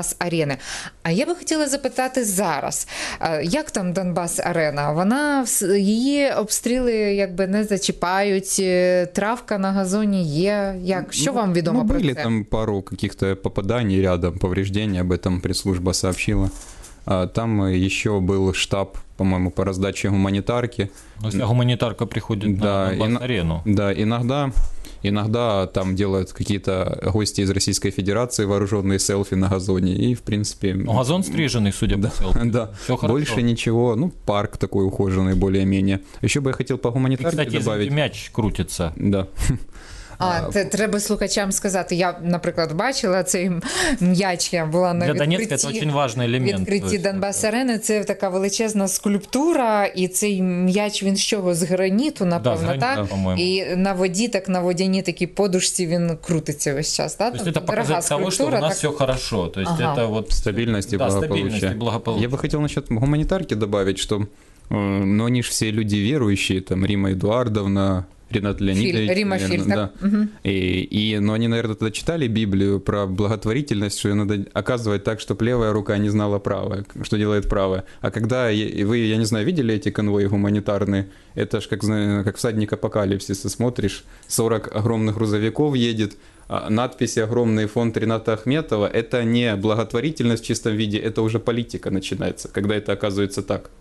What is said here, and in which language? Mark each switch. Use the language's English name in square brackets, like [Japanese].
[Ukrainian] Донбас-арени. А я би хотіла запитати зараз, як там Донбас-арена? Вона, її обстріли якби не зачіпають, травка на газоні є. Як? Що вам відомо про це? Були там пару [Russian] каких-то попаданий рядом, повреждень, об этом пресс-служба сообщила. [Ukrainian] Там ще був штаб, по-моєму, по роздачі гуманітарки. Ось гуманітарка приходить да, на Донбас-арену. Да, іноді... [Russian] Иногда там делают какие-то гости из Российской Федерации вооруженные селфи на газоне, и, в принципе... Ну, газон стриженный, судя по селфи. Да, больше ничего. Ну, парк такой ухоженный более-менее. Еще бы я хотел по гуманитарке добавить. Кстати, извините, мяч крутится. Да. [Ukrainian] А, це треба слухачам сказати. Я, наприклад, бачила цей м'яч, я була на відкритті. Для Донецька це дуже важливий елемент. Відкритті Донбас-арени, це така величезна скульптура, і цей м'яч, він з чого? З граніту, напевно, да, так? По-моєму. І на воді, так на водяній такій подушці він крутиться весь час, так? Тобто це показує того, що у нас так... [Russian] все хорошо. [Ukrainian] Тобто ага. Це от стабільність і благополуччя. Да, стабільність і благополуччя. Я би хотів насчет гуманітарки додати, що, ну, вони ж всі люди віруючі, там, Рима Едуардовна, Ренат Леонидович, [Russian] Рима Филь, наверное, да. Но они, наверное, тогда читали Библию про благотворительность, что ее надо оказывать так, чтобы левая рука не знала правая, что делает правая. А когда вы, я не знаю, видели эти конвои гуманитарные, это ж как всадник апокалипсиса, смотришь, 40 огромных грузовиков едет, надписи огромные, фонд Рената Ахметова, это не благотворительность в чистом виде, это уже политика начинается, когда это оказывается так.